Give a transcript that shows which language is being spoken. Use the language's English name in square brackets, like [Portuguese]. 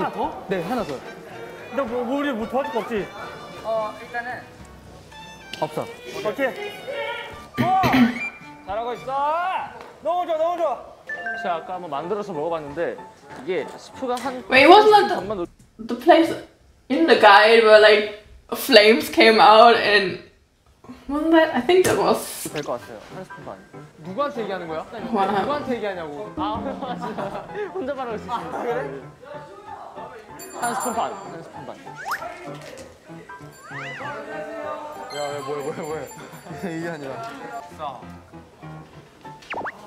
[Korean] 하나 더? 네, 하나 더. 너 뭐, 우리 뭐 도와줄 거 없지? 어, 일단은. 없어. 오케이. 오케이. 어! 잘하고 있어! 너무 좋아, 너무 좋아! 제가 아까 한번 만들어서 먹어봤는데, 이게 스프가 한. [English] Wait, what's that? The place in the guide where like flames came out and wasn't that? I think that was. [Korean] 될 것 같아요. 한 스푼도 아니고. 누구한테 얘기하는 거야? 누구한테 얘기하냐고. 아, 맞아. 혼자 말하고 있었어. 그래? 한 스푼 반. 한 스푼 반. 안녕하세요. 야, 왜 뭐해? 이게 아니라. 싸.